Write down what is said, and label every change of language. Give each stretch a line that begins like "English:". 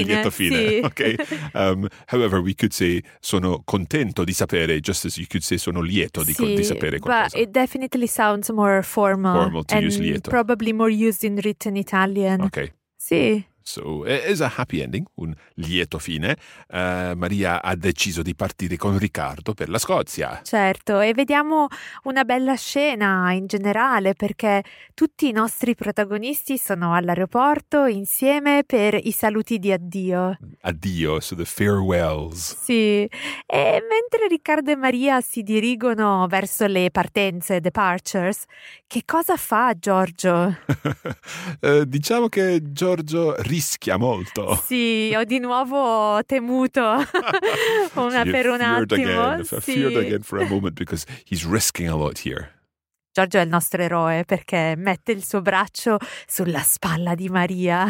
Italian: Il lieto fine, sì.
English: Okay. However, we could say
Italian: sono contento di sapere,
English: just as you could say
Italian: sono lieto di, sì, di sapere qualcosa.
English: But it definitely sounds more formal to and use lieto. Probably more used in written Italian. Okay.
Italian: Sì.
English: So it is a happy ending,
Italian: un lieto fine. Maria ha deciso di partire con Riccardo per la Scozia. Certo, e vediamo una bella scena in generale, perché tutti i nostri protagonisti sono all'aeroporto insieme per i saluti di addio.
English: Addio, so the farewells.
Italian: Sì, e mentre Riccardo e Maria si dirigono verso le partenze, departures, che cosa fa Giorgio? diciamo che Giorgio rischia molto. Sì, ho di nuovo temuto una per un attimo.
English: Again,
Italian: sì.
English: I feared again for a moment because he's risking a lot here.
Italian: Giorgio è il nostro eroe perché mette il suo braccio sulla spalla di Maria.